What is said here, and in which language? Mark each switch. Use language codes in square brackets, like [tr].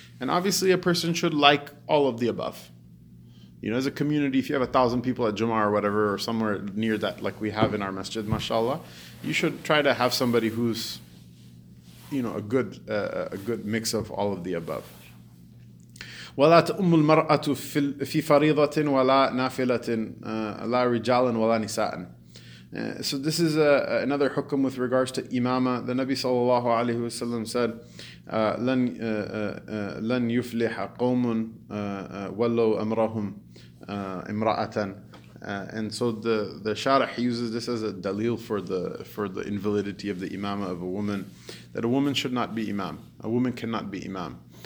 [en] And obviously a person should like all of the above. You know, as a community, if you have 1,000 people at Jummah or whatever, or somewhere near that, like we have in our masjid, mashallah, you should try to have somebody who's, you know, a good mix of all of the above. [ar] ولا تؤم المرأة في فريضة ولا نافلة لا رجالا ولا نساء. [en] So this is another hukum with regards to imama. The Nabi sallallahu alaihi wasallam said, [ar] لن يفلح قوم ولو أمرهم imra'atan. [en] And so the sharh uses this as a dalil for the invalidity of the imama of a woman, that a woman should not be imam. A woman cannot be imam.